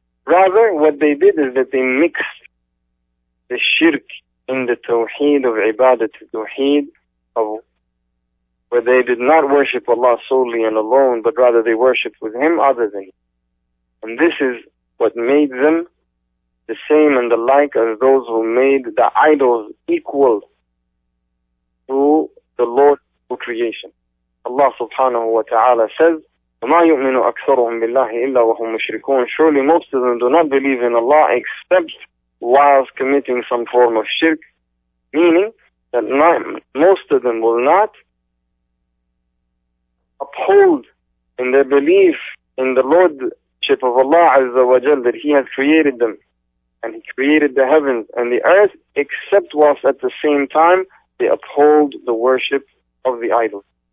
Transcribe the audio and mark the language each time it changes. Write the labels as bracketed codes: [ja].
[en] Rather, what they did is that they mixed the shirk in the tawheed of ibadah, the tawheed of where they did not worship Allah solely and alone, but rather they worshipped with Him other than Him. And this is what made them the same and the like as those who made the idols equal to the Lord of creation. Allah subhanahu wa ta'ala says, [ar] وَمَا يُؤْمِنُ أَكْثَرُهُمْ بِاللَّهِ إِلَّا وَهُمْ مُشْرِكُونَ. [en] Surely most of them do not believe in Allah except whilst committing some form of shirk, meaning that most of them will not uphold in their belief in the Lordship of Allah Azza wa Jal, that He has created them and He created the heavens and the earth, except whilst at the same time they uphold the worship of the idol.